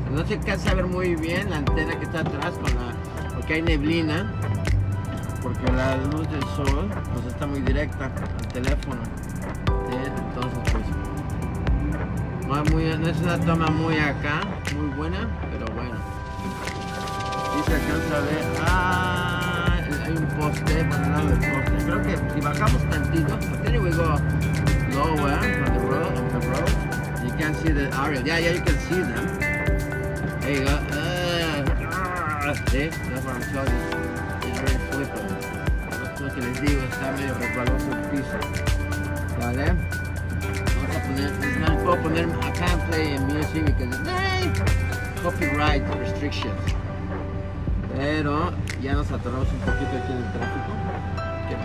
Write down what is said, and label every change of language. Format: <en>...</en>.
<es>No se alcanza a ver muy bien la antena que está atrás con la, porque hay neblina, porque la luz del sol pues está muy directa al teléfono. Entonces pues no es una toma muy acá, muy buena, pero bueno. Y se alcanza a ver, hay un poste, por el lado del poste. Creo que si bajamos tantito,</es> <en>there we go. Lower on the road, you can see the area. Yeah, you can see them. There you go. See? That's what I'm telling you. It's very slippery. That's what</en> <es>les digo, está medio resbaloso el piso. Vale?</es> <en>I can't play music because it's copyright restrictions.</en> <es>Pero ya nos atoramos un poquito aquí en el tráfico.</es>